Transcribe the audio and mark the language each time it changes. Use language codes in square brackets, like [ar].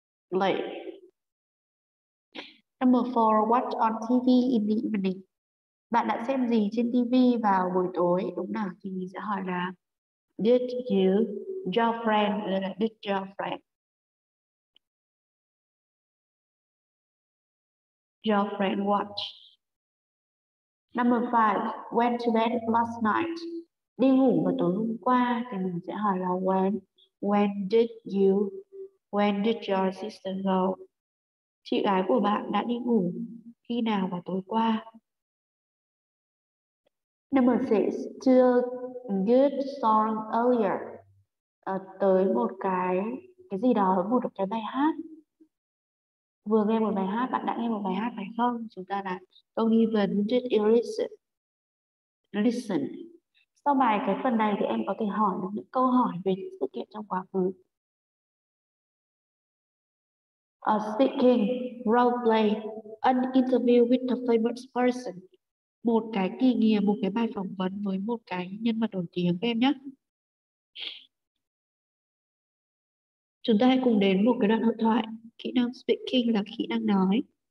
[en] Play. Number 4, watch on TV in the evening. [vi] Bạn đã xem gì trên TV vào buổi tối? Đúng nào? Thì mình sẽ hỏi là [en] did you, your friend, or did your friend? Your friend watch. Number 5. Went to bed last night. [vi] Đi ngủ vào tối hôm qua thì mình sẽ hỏi là [en] when did your sister go? [vi] Chị gái của bạn đã đi ngủ khi nào vào tối qua? [en] Number 6. To a good song earlier. [vi] Tới một cái gì đó, một cái bài hát. Vừa nghe một bài hát, bạn đã nghe một bài hát phải không? Chúng ta là câu nghi vấn [en] did you listen. [vi] Sau bài cái phần này thì em có thể hỏi được những câu hỏi về những sự kiện trong quá khứ. [en] A speaking, role play, an interview with a famous person. [vi] Một cái kỳ nghỉ, một cái bài phỏng vấn với một cái nhân vật nổi tiếng các em nhé. Chúng ta hãy cùng đến một cái đoạn hội thoại. Kỹ năng speaking là kỹ năng nói.